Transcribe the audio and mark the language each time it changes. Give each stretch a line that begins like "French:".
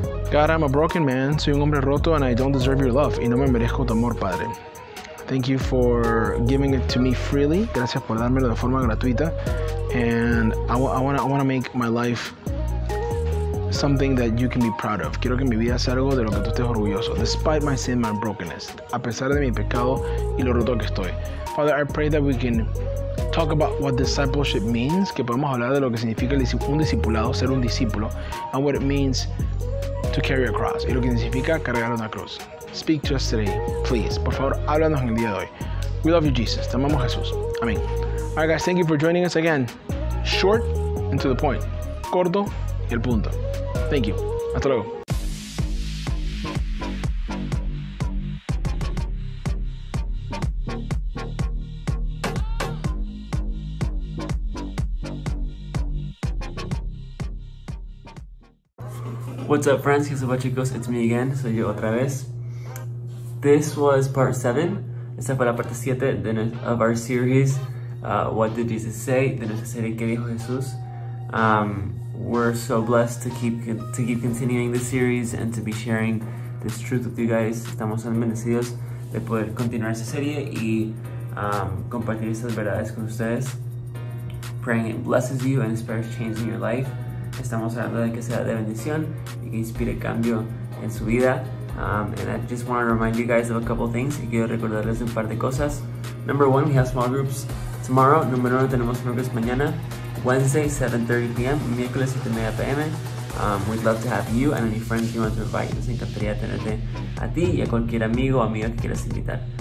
English: God, I'm a broken man.
Spanish: Soy un hombre roto
English: and I don't deserve your love.
Spanish: Y no me merezco tu amor, Padre.
English: Thank you for giving it to me freely.
Spanish: Gracias por dármelo de forma gratuita.
English: And I wanna make my life something that you can be proud of.
Spanish: Quiero que mi vida sea algo de lo que tú estés orgulloso.
English: Despite my sin, my brokenness.
Spanish: A pesar de mi pecado y lo roto que estoy.
English: Father, I pray that we can talk about what discipleship means.
Spanish: Que podemos hablar de lo que significa un discipulado, ser un discípulo.
English: And what it means to carry a cross.
Spanish: Y lo que significa cargar una cruz.
English: Speak to us today, please.
Spanish: Por favor, háblanos en el día de hoy.
English: We love you, Jesus.
Spanish: Te amamos, Jesús. Amén.
English: All right, guys, thank you for joining us again. Short and to the point.
Spanish: Corto y el punto.
English: Thank you.
Spanish: Hasta luego.
English: What's up, friends?
Spanish: ¿Qué tal, chicos?
English: It's me again.
Spanish: Soy yo otra vez.
English: This was part 7.
Spanish: Esta fue la parte 7
English: of our series. What did Jesus say?
Spanish: De nuestra serie, ¿qué dijo Jesús?
English: We're so blessed to keep continuing this series and to be sharing this truth with you guys.
Spanish: Estamos tan bendecidos de poder continuar esta serie y compartir estas verdades con ustedes.
English: Praying it blesses you and inspires change in your life.
Spanish: Estamos hablando de que sea de bendición y que inspire cambio en su vida.
English: And I just want to remind you guys of a couple things.
Spanish: Y quiero recordarles un par de cosas.
English: Number one, we have small groups tomorrow.
Spanish: Número uno, tenemos small groups mañana.
English: Wednesday, 7:30 p.m.
Spanish: Miércoles, 7:30 p.m.
English: We'd love to have you and any friends you want to invite.
Spanish: Nos encantaría tenerte a ti y a cualquier amigo o amiga que quieras invitar.